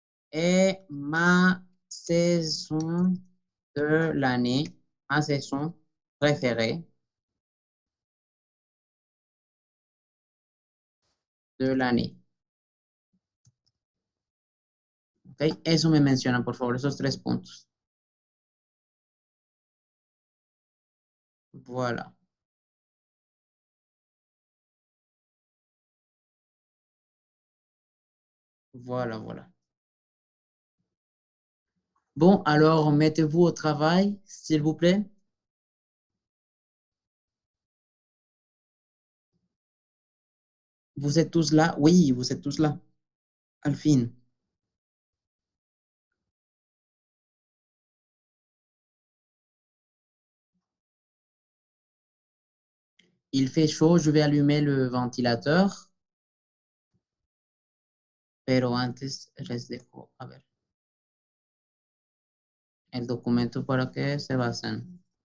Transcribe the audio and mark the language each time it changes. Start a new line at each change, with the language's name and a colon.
French: Et ma saison de l'année, ma saison préférée de l'année. Okay.
Spanish: Eso me mencionan, por favor, esos tres puntos.
French: Voilà. Voilà. Bon, alors mettez-vous au travail, s'il vous plaît. Vous êtes tous là? Oui, vous êtes tous là.
Spanish: Al fin.
French: Il fait chaud, je vais allumer le ventilateur.
Spanish: Pero antes les dejo, a ver, el documento para que se basen.